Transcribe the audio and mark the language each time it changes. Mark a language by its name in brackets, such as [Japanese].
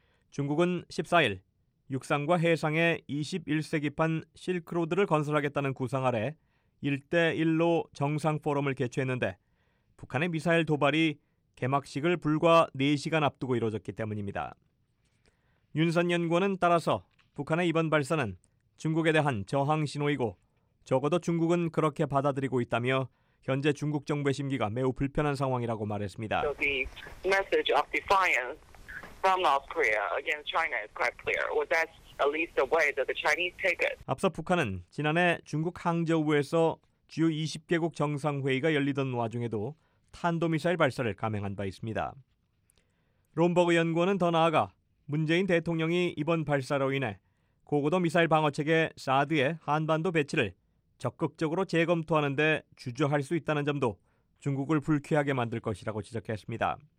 [Korean] 중국은 14일 육상과 해상에 21세기판 실크로드를 건설하겠다는 구상 아래 1대1로 정상 포럼을 개최했는데 북한의 미사일 도발이 개막식을 불과 4시간 앞두고 이뤄졌기 때문입니다. 윤선 연구원은 따라서 북한의 이번 발사는 중국에 대한 저항 신호이고 적어도 중국은 그렇게 받아들이고 있다며 현재 중국 정부의 심기가 매우 불편한 상황이라고 말했습니다. [English] The message of defiance from North Korea against China is quite clear. Well, that's at least the way that the Chinese take it. [Korean] 앞서 북한은 지난해 중국 항저우에서 주요 20개국 정상회의가 열리던 와중에도 탄도미사일 발사를 감행한 바 있습니다. 롬버그 연구원은 더 나아가 문재인 대통령이 이번 발사로 인해 고고도 미사일 방어체계 사드의 한반도 배치를 적극적으로 재검토하는 데 주저할 수 있다는 점도 중국을 불쾌하게 만들 것이라고 지적했습니다.